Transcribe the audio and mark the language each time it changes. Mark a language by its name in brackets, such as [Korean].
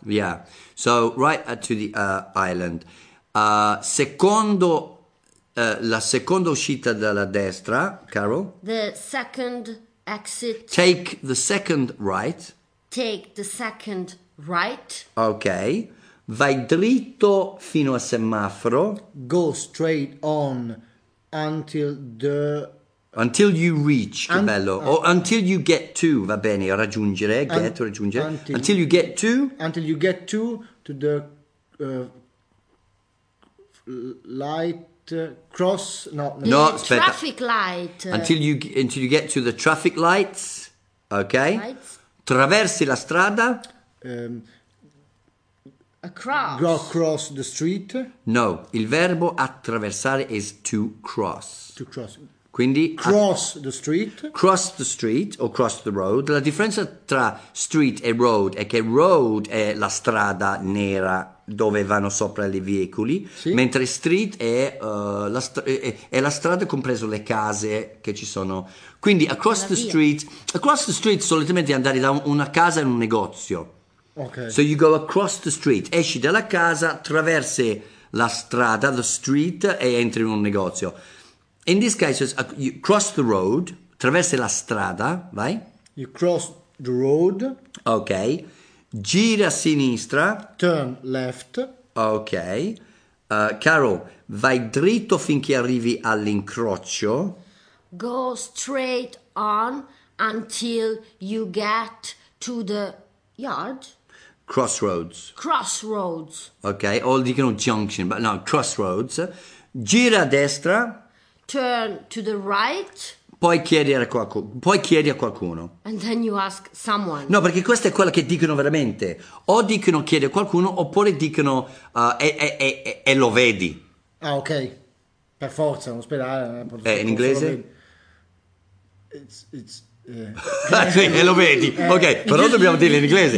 [English] Yeah. So right to the island. Secondo... [Italian] la seconda uscita dalla destra, Carol. [English] The second exit. Take the second right. Take the second right. Ok. [Italian] Vai dritto fino al semaforo. [English] Go straight on until the... Until you reach, [Italian] che bello. [English] Or until you get to, [Italian] va bene, raggiungere, [English] get, raggiungere. Until you get to... Until you get to the light. Cross no the aspetta. Traffic light until you get to the traffic lights. Ok, lights. [Italian] Traversi la strada. [English] Across. Go across the street. [Italian] No, il verbo attraversare [English] is to cross. To cross. [Italian] Quindi [English] cross the street. Cross the street or cross the road. [Italian] La differenza tra street e road è che road è la strada nera dove vanno sopra i veicoli, sì. Mentre street è la strada compreso le case che ci sono. Quindi [English] across the street, across the street [Italian] solitamente è andare da una casa in un negozio. Okay. [English] So you go across the street, [Italian] esci dalla casa, attraversi la strada, [English] the street, [Italian] e entri in un negozio. [English] In this case, you cross the road, [Italian] attraversi la strada, vai. [English] You cross the road. [Italian] Ok. Gira a sinistra. [English] Turn left. Ok. [Italian] Caro, vai dritto finché arrivi all'incrocio. [English] Go straight on until you get to the yard. Crossroads. Crossroads. Ok, all dicono junction, but no, crossroads. [Italian] Gira a destra. [English] Turn to the right. [Italian] Poi chiedi a qualcuno. [English] And then you ask someone. [Italian] No, perché questa è quella che dicono veramente. O dicono chiedi a qualcuno, oppure dicono e lo vedi. Ah, ok. Per forza, in ospedale. In inglese? [English] It's [Italian] sì, e lo vedi. Ok, però dobbiamo dirlo in inglese.